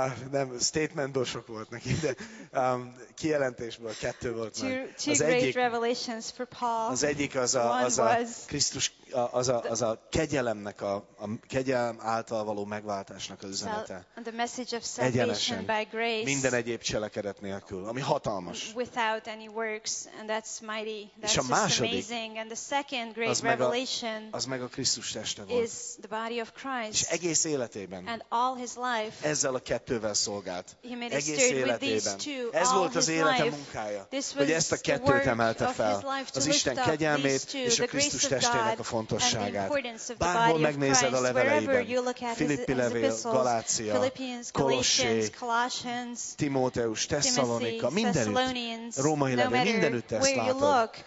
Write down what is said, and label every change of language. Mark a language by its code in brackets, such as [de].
[hu] nem, statementből sok volt neki, de kijelentésből kettő volt meg. [en] Two great revelations for Paul. [hu] Az egyik az a Krisztus, az a kegyelemnek, a kegyelem által való megváltásnak az üzenete. [en] The message of salvation by grace. [hu] Minden egyéb cselekedet nélkül, ami hatalmas. [en] Without any works, and that's mighty. That's amazing. And the second great revelation [hu] az meg a Krisztus teste volt. [en] Is the body of Christ. [hu] És egész életében [en] and all his life, [hu] ezzel a kettővel szolgált. [en] He made [hu] egész életében. [en] With these two, [hu] ez volt az élete munkája, hogy ezt a kettőt emelte fel. Az Isten kegyelmét [en] two, [hu] és a Krisztus testének a fontosságát. fontosságát. Bárhol megnézed a leveleiben, Filippi levél, Galácia, Kolossé, Timóteus, Tesszalonika, mindenütt, római levél, mindenütt ezt látod.